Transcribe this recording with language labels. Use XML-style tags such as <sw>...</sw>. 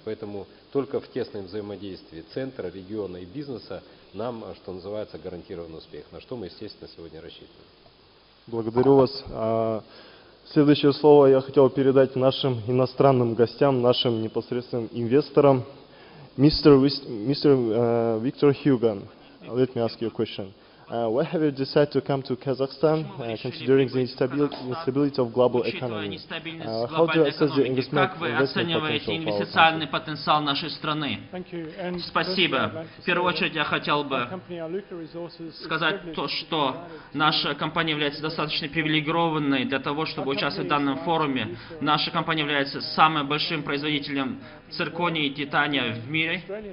<ru>Поэтому только в тесном взаимодействии центра, региона и бизнеса нам, что называется, гарантирован успех, на что мы, естественно, сегодня рассчитываем. Благодарю вас. Следующее слово я хотел передать нашим иностранным гостям, нашим непосредственным инвесторам.</ru> <en>Мистер Виктор Хьюган, let me ask you a question. Why have you decided to come to Kazakhstan, considering the instability of global economy? How do you assess the investment potential of our country? Thank you.</en> <ru>And спасибо. В первую очередь я хотел бы сказать то, что наша компания является достаточно привилегированной для того, чтобы участвовать в данном форуме. Наша компания является самым большим производителем циркония и титания в мире.</ru>